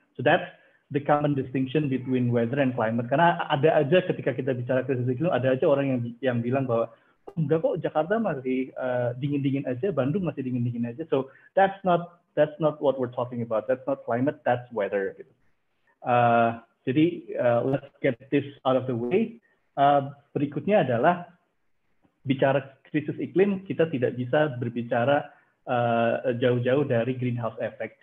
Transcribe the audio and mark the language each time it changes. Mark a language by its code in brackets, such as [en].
[en] So that's the common distinction between weather and climate. [id] Karena ada aja ketika kita bicara krisis iklim, ada aja orang yang bilang bahwa enggak kok, Jakarta masih dingin-dingin aja, Bandung masih dingin-dingin aja. [en] So that's not what we're talking about. That's not climate, that's weather. [id] Jadi [en] let's get this out of the way. [id] Berikutnya adalah bicara krisis iklim, kita tidak bisa berbicara jauh-jauh dari greenhouse effect.